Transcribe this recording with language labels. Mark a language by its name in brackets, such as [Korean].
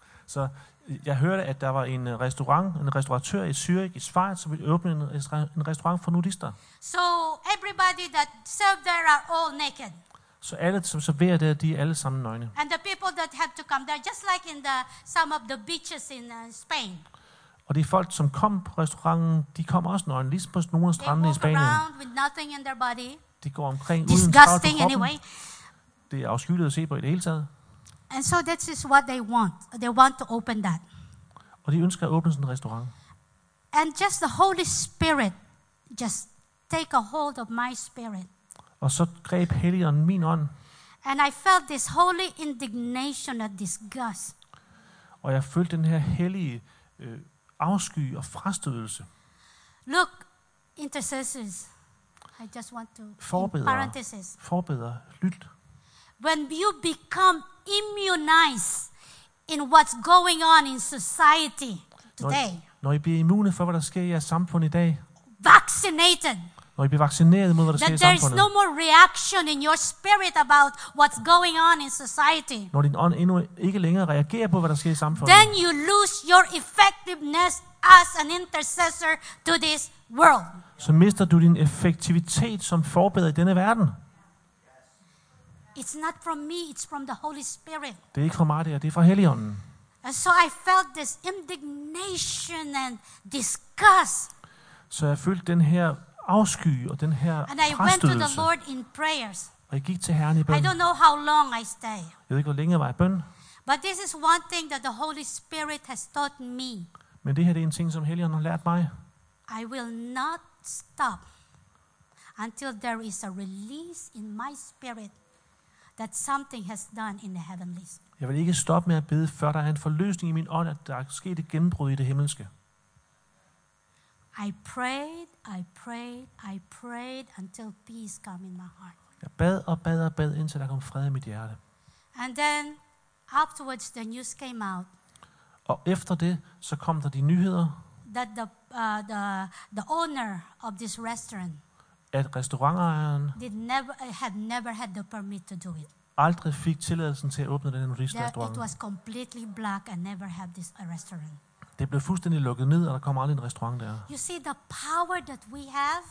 [Danish] Så jeg hørte, at der var en restaurant, en restauratør i Zürich, i Schweiz, som ville åbne en restaurant for nudister. [English] So everybody that served there are all naked. [Danish] Så alle, som serverer der, de er alle sammen nøgne. [English] And the people that have to come there, just like in the some of the beaches in Spain. [Danish] Og de folk, som kom på restauranten, de kom også nøgne, ligesom på nogle af strandene i Spanien. [English] They walk around with nothing in their body. [Danish] De går omkring [English] disgusting [Danish] uden skrald på kroppen. [English] Anyway. [Danish] Det er afskyeligt at se på i det hele taget. [English] And so that is what they want. They want to open that. [Danish] Og de ønsker at åbne sådan en restaurant. [English] And just the Holy Spirit just take a hold of my spirit. [Danish] Og så greb Helligånden min ånd. [English] And I felt this holy indignation and disgust. [Danish] Og jeg følte den her hellige afsky og frastødelse. [English] Look, intercessors. I just want to [Danish] forbedre, [English] in parentheses. [Danish] Forbedre, lyt. [English] When you become immunized in what's going on in society today. [Danish] Når I bliver immune for hvad der sker i jeres samfund i dag. [English] Vaccinated. [Danish] Når I bliver vaccineret mod hvad der sker i samfundet. [English] There's no more reaction in your spirit about what's going on in society. [Danish] Når din ånd endnu ikke længere reagerer på hvad der sker i samfundet. [English] Then you lose your effectiveness as an intercessor to this world. [Danish] Så mister du din effektivitet som forbeder i denne verden. [English] It's not from me, it's from the Holy Spirit. [Danish] Det er ikke fra mig, det er fra Helligånden. [English] And so I felt this indignation and disgust. [Danish] Så jeg følte den her afsky og den her frastødelse. [English] And I went to the Lord in prayers. [Danish] Og jeg gik til Herren i bøn. [English] I don't know how long I stay. [Danish] Jeg ved ikke, hvor længe var jeg i bøn. [English] But this is one thing that the Holy Spirit has taught me. [Danish] Men det her, det er en ting, som Helligånden har lært mig. [English] I will not stop until there is a release in my spirit that something has done in the heavenlies. [Danish] Jeg vil ikke stoppe med at bede, før der er en forløsning i min ånd, at der er sket et gennembrud i det himmelske. [English] I prayed, I prayed, I prayed until peace came in my heart. [Danish] Jeg bad og bad og bad, indtil der kom fred i mit hjerte. [English] And then afterwards the news came out. [Danish] Og efter det så kom der de nyheder. [English] That the owner of this restaurant, [Danish] at restaurantejeren [English] never had the permit to do it. [Danish] Aldrig fik tilladelsen til at åbne den nudistrestaurant. [English] It was completely black and never had this restaurant. [Danish] Det blev fuldstændig lukket ned, og der kom aldrig en restaurant der. [English] You see the power that we have?